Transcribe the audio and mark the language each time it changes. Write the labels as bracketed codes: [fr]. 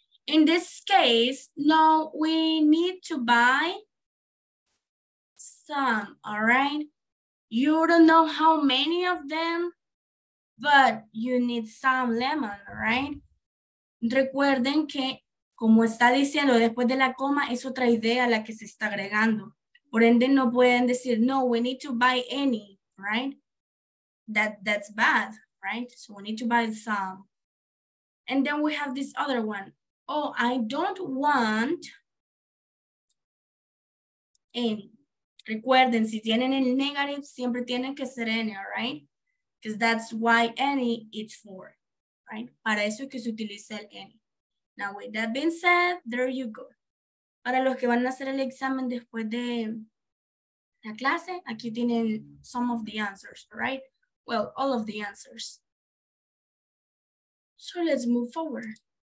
[en] In this case, no, we need to buy some. All right. You don't know how many of them, but you need some lemon, right? [es] Recuerden que, como está diciendo después de la coma, es otra idea la que se está agregando. Por ende, no pueden decir, no, [en] we need to buy any, right? That's bad, right? So we need to buy some. And then we have this other one. Oh, I don't want any. [es] Recuerden, si tienen el negative, siempre tienen que ser any, [en] all right? Because that's why any is for, right? [es] Para eso es que se utiliza el any. [en] Now, with that being said, there you go. [es] Para los que van a hacer el examen después de la clase, aquí tienen [en] some of the answers, right? Well, all of the answers. So let's move forward.